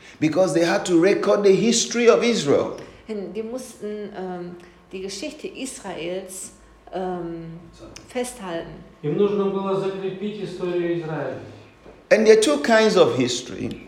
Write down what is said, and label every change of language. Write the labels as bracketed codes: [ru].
[en] Because they had to record the history of Israel. [de] Die mussten die Geschichte Israels festhalten. [ru] Им нужно было закрепить историю Израиля. [en] And there are two kinds of history.